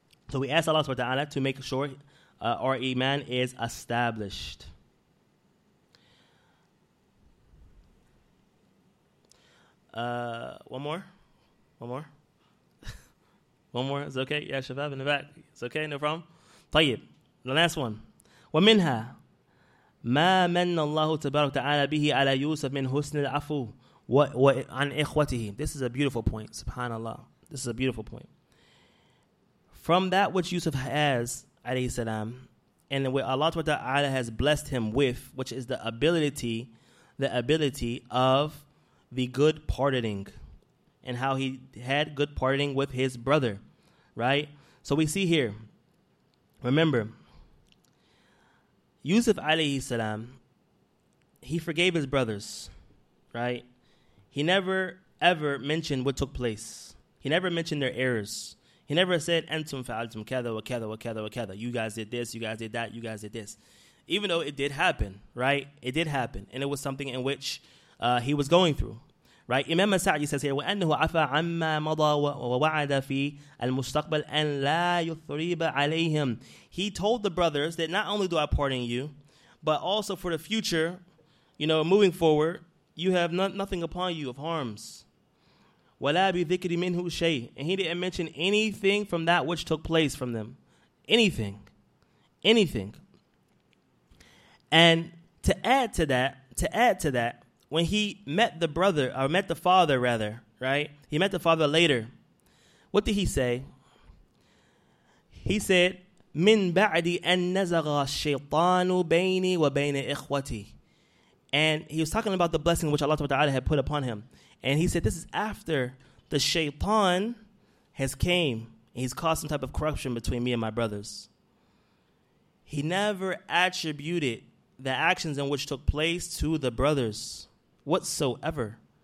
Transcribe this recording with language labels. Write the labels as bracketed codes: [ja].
[en] So we ask Allah subhanahu wa ta'ala to make sure our iman is established. One more. One more, is it okay? Yeah, Shabab in the back. It's okay, no problem. طيب, the last one. [ar] ومنها ما من الله تبارك تعالى به على يوسف من حسن العفو وعن إخوته. [en] This is a beautiful point, subhanAllah. This is a beautiful point. From that which Yusuf has, alayhi salam, and what Allah ta'ala has blessed him with, which is the ability of the good pardoning, and how he had good pardoning with his brother. Right? So we see here, remember, Yusuf alayhi salam, he forgave his brothers, right? He never ever mentioned what took place. He never mentioned their errors. He never said, [ar] Antum fa'altum kada wa kada [en] wa kada wa kada. You guys did this, you guys did that, you guys did this. Even though it did happen, right? It did happen. And it was something in which he was going through. Right, Imam Sa'di says here, [ar] وَأَنَّهُ عَفَى عَمَّا مَضَى وَوَعَدَ فِي الْمُسْتَقْبَلِ أَنْ لَا يُثْرِيبَ عَلَيْهِمْ. [en] He told the brothers that not only do I pardon you, but also for the future, you know, moving forward, you have nothing upon you of harms. [ar] وَلَا بِذِكْرِ مِنْهُ شَيْءٍ. [en] And he didn't mention anything from that which took place from them. Anything. And to add to that, when he met the brother, or met the father rather, right? He met the father later. What did he say? He said, [ar] من بعد أن نزغ الشيطان بيني وبين إخوتي. [en] And he was talking about the blessing which Allah Ta'ala had put upon him. And he said, this is after the shaitan has came. He's caused some type of corruption between me and my brothers. He never attributed the actions in which took place to the brothers whatsoever.